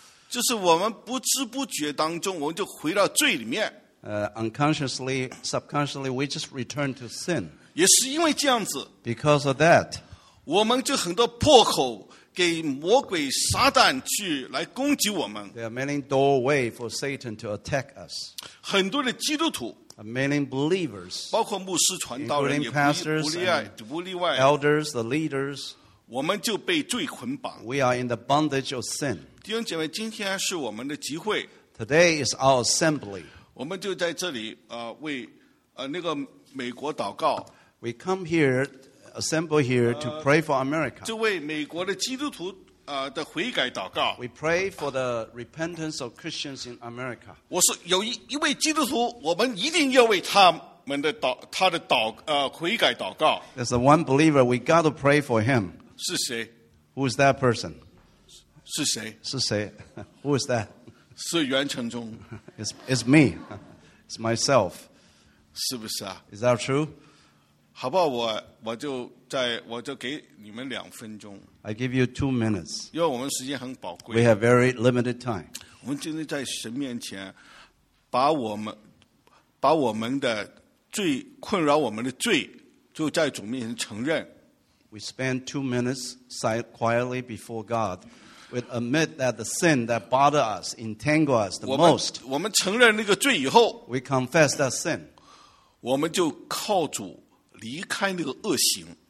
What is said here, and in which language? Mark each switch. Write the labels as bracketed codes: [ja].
[zh] 就是我们不知不觉当中，我们就回到罪里面。 [en] Unconsciously, subconsciously, we just return to sin. [zh] 也是因为这样子。 [en] Because of that, [zh] 我们就很多破口给魔鬼撒旦去来攻击我们。 [en] There are many doorway for Satan to attack us. [zh] 很多的基督徒。 [en] Many believers. [zh] 包括牧师、传道人也不 [en] pastors, [zh] 不例外。 [en] Elders, the leaders. [zh] 我们就被罪捆绑。 [en] We are in the bondage of sin. [zh] 弟兄姐妹，今天是我们的集会。 [en] Today is our assembly. [zh] 我们就在这里为那个美国祷告。 [en] We come here, assemble here to pray for America. [zh] 就为美国的基督徒的悔改祷告。 [en] We pray for the repentance of Christians in America. [zh] 我说有一位基督徒，我们一定要为他们的祷悔改祷告。 [en] There's the one believer we got to pray for him. [zh] 是谁 [en] ？Who is that person? [zh] 是谁？是谁 [en] ？Who is that？ [zh] 是袁成忠。 [en] It's me. It's myself. [zh] 是不是啊 [en] ？Is that true？ [zh] 好不好？我就给你们两分钟。 [en] I give you 2 minutes. [zh] 因为我们时间很宝贵。 [en] We have very limited time. [zh] 我们今天在神面前，把我们的罪困扰我们的罪，就在主面前承认。 [en] We spend 2 minutes quietly before God. We admit that the sin that bother us, entangle us the most. [zh] 我们承认那个罪以后 [en] ，we confess that sin. [zh] 我们就靠主离开那个恶行。